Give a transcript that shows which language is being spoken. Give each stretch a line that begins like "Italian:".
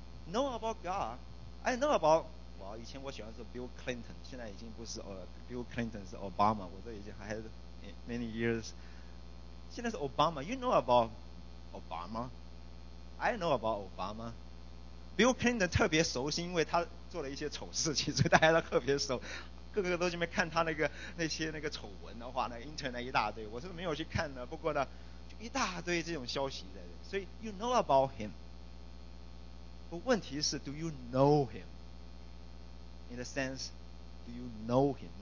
English: know about God，I know about，
Chinese: 我以前我喜欢是 Bill Clinton， 现在已经不是Bill Clinton， 是 Obama， 我这已经
English: had many years，
Chinese: 现在是 Obama。
English: You know about Obama， I know about Obama。
Chinese: Bill Clinton 特别熟悉，因为他做了一些丑事情，所以大家都特别熟，各个都去看他那些丑闻的话，那个 internet 一大堆，我是没有去看的，不过呢就一大堆这种消息的，所以
English: you know about him。 But
Chinese: 问题是
English: do you know him? In a sense, do you know him?